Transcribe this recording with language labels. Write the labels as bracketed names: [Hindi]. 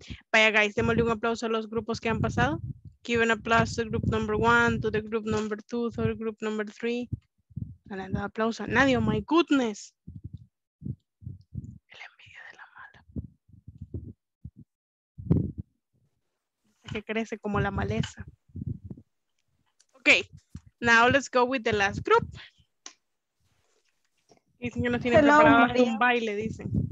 [Spanish] Vaya, guys, démosle un aplauso a los grupos que han pasado. [English] Give an applause to group number one, to the group number two, to the group number three. [Spanish] No le aplauso a nadie, [English] oh my goodness. [Spanish] El envidia de la mala. Que crece como la maleza. [English] Ok, now let's go with the last group. [Spanish] Dicen que no tiene preparado un baile, dicen.